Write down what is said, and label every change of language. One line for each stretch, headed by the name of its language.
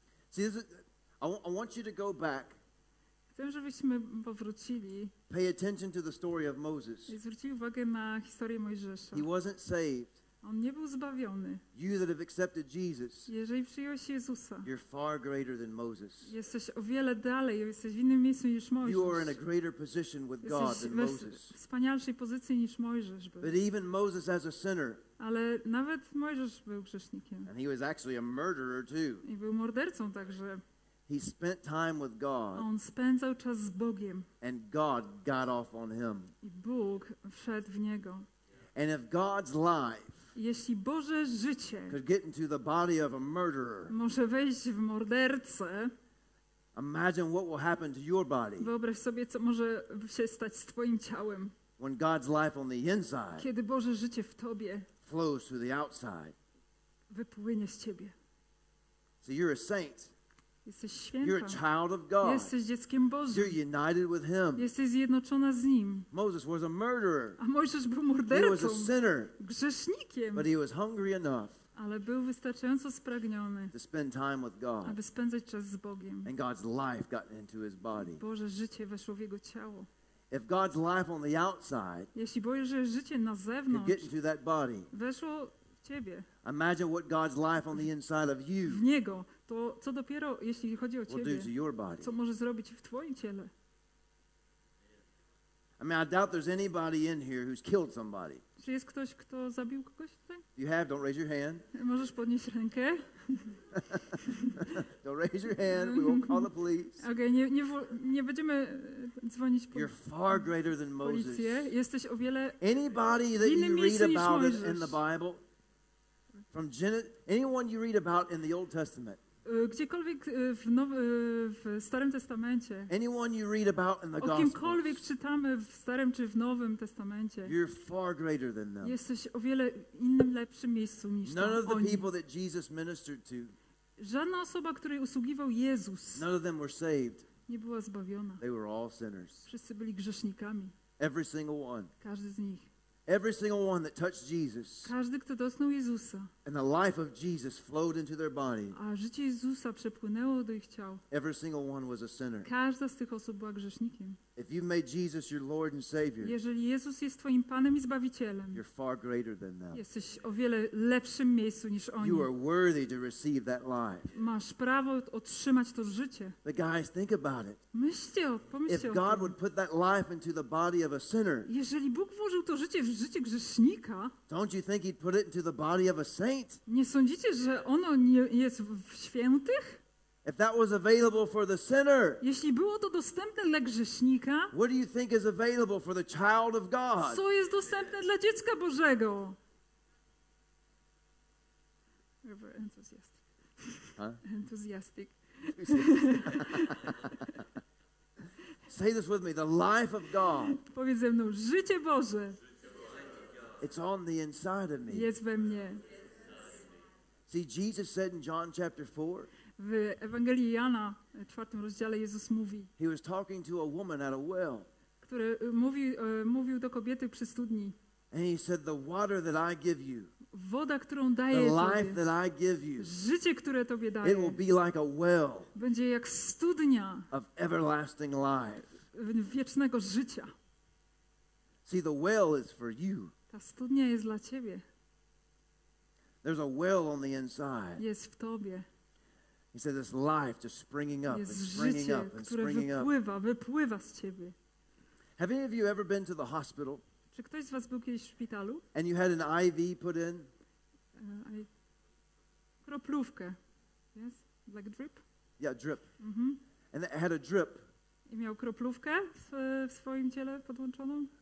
English: See, this is, I want you to go back.
Polish: Chcę, żebyśmy powrócili.
English: Pay attention to the story of Moses.
Polish: I zwrócił uwagę na historię Mojżesza.
English: He wasn't saved.
Polish: On nie był zbawiony.
English: You that have accepted Jesus.
Polish: Jeżeli przyjąłeś Jezusa.
English: You're far greater than Moses.
Polish: Jesteś o wiele dalej, jesteś w innym miejscu niż Mojżesz.
English: You are in a greater position with God than Moses.
Polish: W wspanialszej pozycji niż Mojżesz był.
English: But even Moses as a sinner. Ale nawet Mojżesz był grzesznikiem.
Polish: And he was actually a murderer too.
English: I był mordercą także.
Polish: He spent time with God.
English: On spędzał czas z Bogiem.
Polish: And God got off on him.
English: I Bóg wszedł w niego.
Polish: And if God's life.
English: Jeśli Boże życie
Polish: could get into the body of a murderer,
English: może wejść w mordercę,
Polish: imagine what will happen to your body.
English: Wyobraź sobie, co może się stać z twoim ciałem.
Polish: When God's life on the inside,
English: kiedy Boże życie w tobie
Polish: flows through the outside,
English: wypłynie z ciebie.
Polish: So you're a saint.
English: Jesteś święta.
Polish: You're a child of God.
English: Jesteś dzieckiem Bożym.
Polish: You're united with him.
English: Jesteś zjednoczona z nim.
Polish: Moses was a murderer.
English: A Mojżesz był mordercą.
Polish: He was a sinner.
English: Grzesznikiem.
Polish: But he was hungry enough.
English: Ale był wystarczająco spragniony.
Polish: To spend time with God.
English: Aby spędzać czas z Bogiem.
Polish: And God's life got into his body.
English: Boże życie weszło w jego ciało.
Polish: If God's life on the outside.
English: Jeśli Boże życie na zewnątrz.
Polish: Get into that body.
English: Weszło w ciebie.
Polish: Imagine what God's life on the inside of you.
English: W niego.
Polish: To co dopiero, jeśli chodzi o ciebie,
English: we'll do to your body.
Polish: Co może zrobić w twoim ciele?
English: I mean, I doubt there's anybody in here who's killed somebody.
Polish: Czy jest ktoś, kto zabił kogoś tutaj?
English: You have, don't raise your hand.
Polish: Możesz podnieść rękę.
English: Don't raise your hand, we won't call the police.
Polish: Okay, nie będziemy dzwonić policję.
English: You're far greater than Moses.
Polish: Jesteś o wiele
English: anybody that you read about it in the Bible, from anyone you read about in the Old Testament.
Polish: Gdziekolwiek w Starym Testamencie.
English: Anyone you read about in the Gospels.
Polish: O kimkolwiek Gospels, czytamy w Starym czy w Nowym Testamencie.
English: You're far greater than them.
Polish: Jesteś o wiele innym, lepszym miejscu niż
English: none
Polish: tam
English: of the
Polish: oni.
English: People that Jesus ministered to.
Polish: Żadna osoba, której usługiwał Jezus.
English: None of them were saved.
Polish: Nie była zbawiona.
English: They were all sinners.
Polish: Wszyscy byli grzesznikami.
English: Every single one.
Polish: Każdy z nich.
English: Every single one that touched Jesus.
Polish: Każdy, kto dotknął Jezusa.
English: And the life of Jesus flowed into their body.
Polish: A życie Jezusa przepłynęło do ich ciał.
English: Every single one was a sinner.
Polish: Każda z tych osób była grzesznikiem.
English: If you made Jesus your Lord and Savior.
Polish: Jeżeli Jezus jest twoim Panem i Zbawicielem.
English: You're far greater than that.
Polish: Jesteś o wiele lepszym miejscu niż oni.
English: You are worthy to receive that life.
Polish: Masz prawo otrzymać to życie.
English: But guys, think about it.
Polish: Myślcie, pomyślcie.
English: If God would put that life into the body of a sinner.
Polish: Jeżeli Bóg włożył to życie w życie grzesznika.
English: Don't you think he'd put it into the body of a saint?
Polish: Nie sądzicie, że ono nie jest w świętych?
English: If that was available for the sinner,
Polish: jeśli było to dostępne dla grzesznika,
English: what do you think is available for the child of God?
Polish: Co jest dostępne dla dziecka Bożego?
English: Enthusiastic. Huh? Enthusiastic. Say this with me, the life of God.
Polish: Powiedz ze mną, życie Boże.
English: It's on the inside of me.
Polish: Jest we mnie.
English: See, Jesus said in John chapter 4.
Polish: W Ewangelii Jana, w 4 rozdziale Jezus mówi.
English: He was talking to a woman at a well.
Polish: Który mówił do kobiety przy studni.
English: And he said, the water that I give you.
Polish: Woda, którą daję
English: the life that I give you,
Polish: życie, które Tobie daję,
English: it will be like a well,
Polish: będzie jak studnia
English: of everlasting life,
Polish: wiecznego życia.
English: See, the well is for you.
Polish: Ta studnia jest dla Ciebie.
English: There's a well on the inside.
Polish: Jest w Tobie.
English: He said, this life just springing up
Polish: jest
English: and springing
Polish: życie,
English: up and springing
Polish: wypływa,
English: up.
Polish: Wypływa z Ciebie.
English: Have any of you ever been to the hospital?
Polish: Czy ktoś z was był kiedyś w szpitalu?
English: And you had an IV put in?
Polish: Kroplówkę.
English: Yes? Like a drip? Yeah, drip. Mm-hmm. And it had a drip.
Polish: I miał kroplówkę w swoim ciele podłączoną?